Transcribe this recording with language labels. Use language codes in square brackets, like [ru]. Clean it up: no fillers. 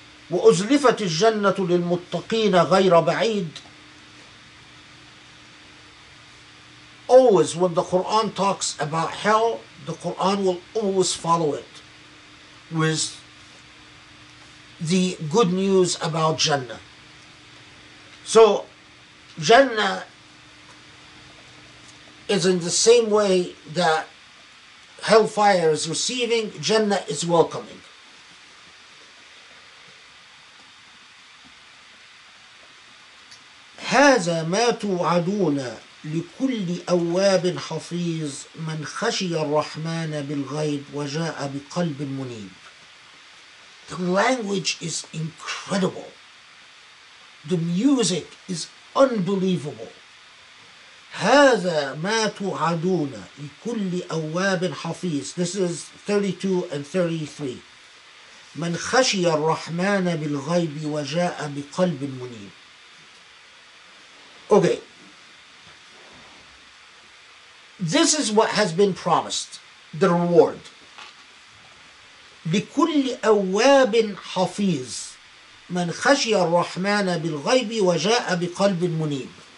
[ar] وأزلفت الجنة للمتقين غير بعيد. [en] Always, when the Quran talks about hell, the Quran will always follow it with the good news about Jannah. So Jannah is in the same way that hellfire is receiving, Jannah is welcoming. [ar] هذا ما توعدون لكل أواب حفيظ من خشي الرحمن بالغيب وجاء بقلب منيب. [en] The language is incredible. The music is unbelievable. [ar] هذا ما توعدون لكل أواب حفيظ. [en] This is 32 and 33. [ar] من خشي الرحمن بالغيب وجاء بقلب منيب. [en] Okay. This is what has been promised, the reward. [ar] لِكُلِّ أَوَّابٍ حَفِيظٍ مَنْ خَشِيَ الرَّحْمَنَ بِالْغَيْبِ وَجَاءَ بِقَلْبٍ مُنِيبٍ.